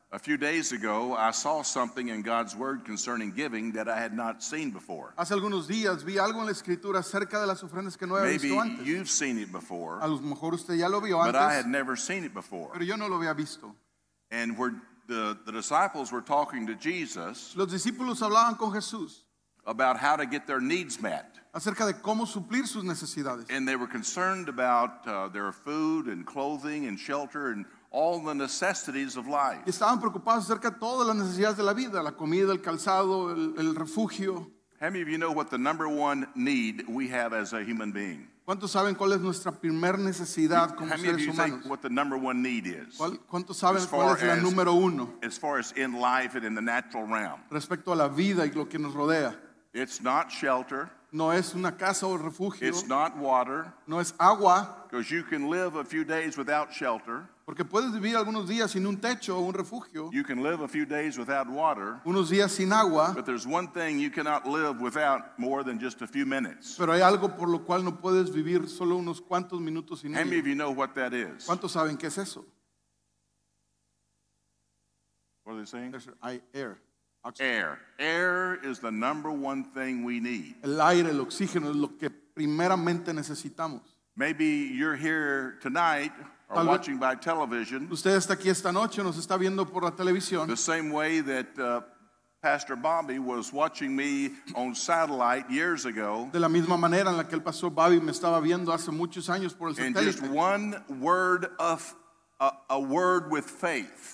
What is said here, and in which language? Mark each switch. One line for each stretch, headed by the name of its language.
English: a few days ago, I saw something in God's word concerning giving that I had not seen before.
Spanish: Hace algunos días vi algo en la escritura acerca de las ofrendas que no había
English: Maybe
Spanish: visto antes.
English: You've seen it before,
Spanish: a lo mejor usted ya lo vio
English: but
Spanish: antes,
English: I had never seen it before.
Spanish: Pero yo no lo había visto.
English: And where the disciples were talking to Jesus,
Spanish: los discípulos hablaban con Jesús,
English: about how to get their needs met.
Spanish: Acerca de cómo suplir sus necesidades.
English: And they were concerned about their food and clothing and shelter and all the necessities of life.
Spanish: Y estaban preocupados acerca de todas las necesidades de la vida, la comida, el calzado, el refugio.
English: How many of you know what the number one need we have as a human being?
Spanish: ¿Cuántos saben cuál es nuestra primer necesidad como seres humanos?
English: How many of you think what the number one need is?
Spanish: ¿Cuántos saben cuál es la número uno?
English: As far as in life and in the natural realm.
Spanish: Respecto a la vida y lo que nos rodea.
English: It's not shelter.
Spanish: No es una casa o refugio.
English: It's not water.
Spanish: No es agua.
English: Because you can live a few days without shelter.
Spanish: Porque puedes vivir algunos días sin un techo o un refugio.
English: You can live a few days without water.
Spanish: Unos días sin agua.
English: But there's one thing you cannot live without more than just a few minutes.
Spanish: Pero hay algo por lo cual no puedes vivir solo unos cuantos minutos sin ello.
English: How many of you know what that is?
Spanish: ¿Cuántos saben qué es eso?
English: What are they saying? Yes, sir. Air. Air. Air is the number one thing we need.
Spanish: El aire, el oxígeno, es lo que primeramente necesitamos.
English: Maybe you're here tonight or
Spanish: Tal
English: watching by television.
Spanish: Usted está aquí esta noche, nos está viendo por la televisión.
English: The same way that Pastor Bobby was watching me on satellite years ago.
Spanish: De la misma manera en la que el pastor Bobby me estaba viendo hace muchos años por el satélite.
English: And just one word of a word with faith.